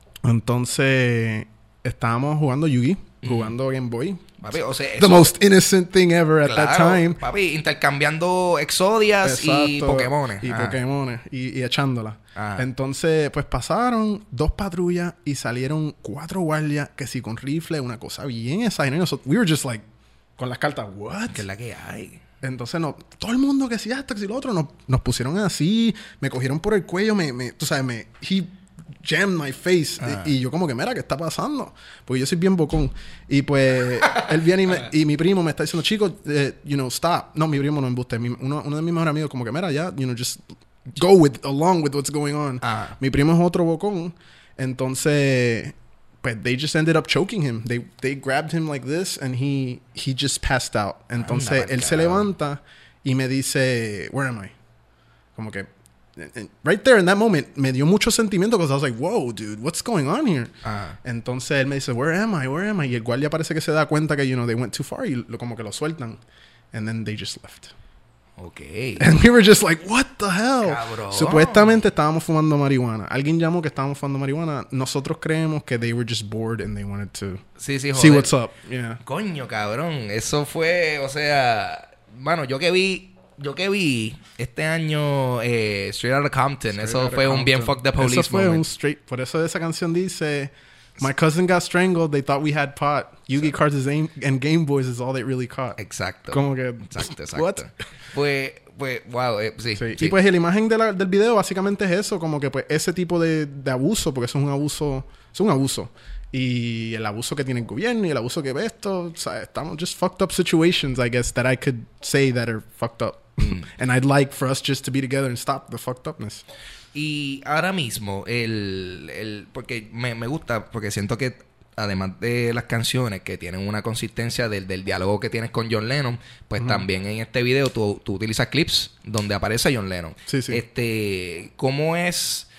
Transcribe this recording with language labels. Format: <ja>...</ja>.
<es>Entonces estábamos jugando Yugi. Jugando Game Boy. Papi, o sea,</es> <en>the most innocent thing ever at</en> <es>claro,</es> <en>that time.</en> <es>Papi, intercambiando Exodias. Exacto, y Pokémones. Y Pokémones. Y echándola. Ajá. Entonces, pues pasaron dos patrullas y salieron cuatro guardias que sí, con rifle, una cosa bien esa. Y nosotros,</es> <en>we were just like,</en> <es>con las cartas,</es> <en>what?</en> <es>¿Qué es la que hay? Entonces, no, todo el mundo que decía esto, que si lo otro, nos pusieron así, me cogieron por el cuello,</es> <en>jammed my face.</en> <es>Y yo como que, mira, ¿qué está pasando? Porque yo soy bien bocón. Y pues, él viene y mi primo me está diciendo, chico,</es> <en>you know, stop.</en> <es>No, mi primo no, embuste. Uno de mis mejores amigos como que, mira, ya,</es> <en>you know, just go with, along with what's going on.</en> <es>Mi primo es otro bocón.</es> <en>Entonces, pues, they just ended up choking him. They grabbed him like this and he just passed out.</en> <es>Entonces, él se levanta y me dice,</es> <en>where am I?</en> <es>Como que,</es> <en>right there in that moment</en> <es>me dio mucho sentimiento</es> <en>because I was like, whoa, dude, what's going on here?</en> <es>Entonces él me dice,</es> <en>where am I,</en> <es>y el guardia parece que se da cuenta que,</es> <en>you know, they went too far,</en> <es>y como que lo sueltan,</es> <en>and then they just left. Okay. And we were just like, what the hell.</en> <es>Cabrón. Supuestamente estábamos fumando marihuana. Alguien llamó que estábamos fumando marihuana. Nosotros creemos que</es> <en>they were just bored and they wanted to see what's up. Yeah.</en> <es>Coño, cabrón, eso fue, o sea, mano, yo que vi este año Straight Outta Compton.</es> <en>Straight</en> <es>eso fue</es> <en>Compton.</en> <es>Un bien</es> <en>fuck the police moment.</en> <es>Eso fue</es> <en>moment. Un straight...</en> <es>Por eso esa canción dice,</es> <en>my cousin got strangled, they thought we had pot. Yugi sí. Cards and Game Boys is all they really caught.</en> <es>Exacto. Como que... Exacto. What? Pues, wow, sí. Y pues la imagen del video básicamente es eso. Como que pues ese tipo de abuso, porque eso es un abuso... Es un abuso. Y el abuso que tiene el gobierno y el abuso que ve esto. O sea, estamos</es> <en>just fucked up situations, I guess, that I could say that are fucked up. And I'd like for us just to be together and stop the fucked upness.</en> <es>Y ahora mismo, porque me gusta, porque siento que además de las canciones que tienen una consistencia del diálogo que tienes con John Lennon, pues uh-huh. también en este video tú utilizas clips donde aparece John Lennon. Sí, sí. ¿Cómo es...?</es>